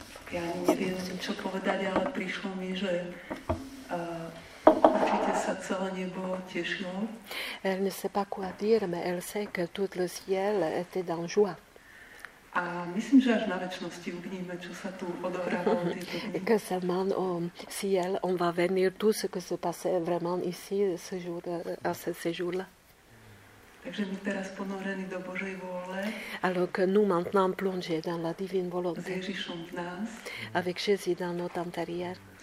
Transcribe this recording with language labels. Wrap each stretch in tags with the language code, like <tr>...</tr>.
<sk>Já nevím, čo povedať, ale prišlo mi, že určitě sa celé nebo tešilo.</sk> <fr>Elle ne sait pas quoi dire, mais elle sait que tout le ciel était dans joie.</fr> <sk>A myslím, že až na večnosti uvidíme, čo sa tu odohrávalo.</sk> <fr>Que seulement au ciel, on va venir tout ce que se passait vraiment ici, ce jour, à ce séjour-là.</fr> <sk>Takže my teraz ponorení do Božej vôle.</sk> <fr>Alors que nous maintenant plongés dans la divine volonté.</fr> <sk>S Ježišom v nás.</sk> <fr>Avec Jésus dans notre intérieur.</fr>